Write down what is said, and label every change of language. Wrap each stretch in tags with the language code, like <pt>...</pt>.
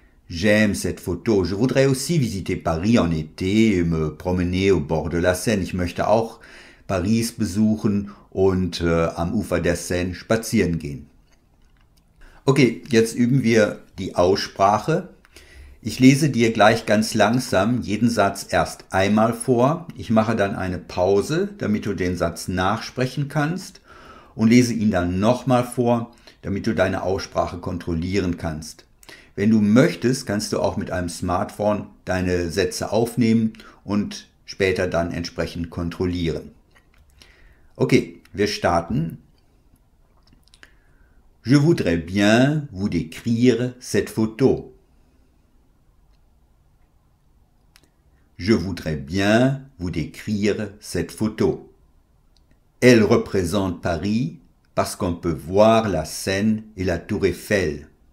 <fr>J'aime cette photo. Je voudrais aussi visiter Paris en été et me promener au bord de la Seine.</fr> <de>Ich möchte auch Paris besuchen und am Ufer der Seine spazieren gehen. Okay, jetzt üben wir die Aussprache. Ich lese dir gleich ganz langsam jeden Satz erst einmal vor. Ich mache dann eine Pause, damit du den Satz nachsprechen kannst und lese ihn dann nochmal vor, damit du deine Aussprache kontrollieren kannst. Wenn du möchtest, kannst du auch mit einem Smartphone deine Sätze aufnehmen und später dann entsprechend kontrollieren. Okay, wir starten.</de> <fr>Je voudrais bien vous décrire cette photo. Je voudrais bien vous décrire cette photo. Elle représente Paris parce qu'on peut voir la Seine et la Tour Eiffel.</fr>